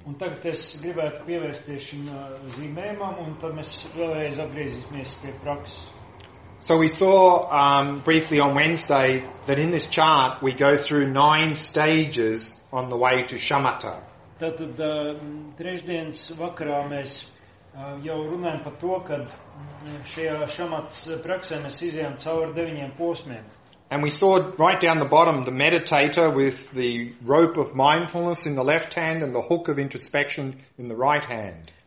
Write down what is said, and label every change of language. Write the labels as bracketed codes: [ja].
[lv] Un tagad es gribētu pievērsties šim zīmējumam un tad mēs vēlreiz atgriezīsimies pie prakses. [en] So we saw briefly on Wednesday that in this chart we go through 9 stages on the way to shamatha. [lv] Tātad trešdienas vakarā mēs jau runājam par to, kad šajā šamatas praksē mēs izējām cauri 9 posmiem. [en] And we saw right down the bottom the meditator with the rope of mindfulness in the left hand and the hook of introspection in the right hand.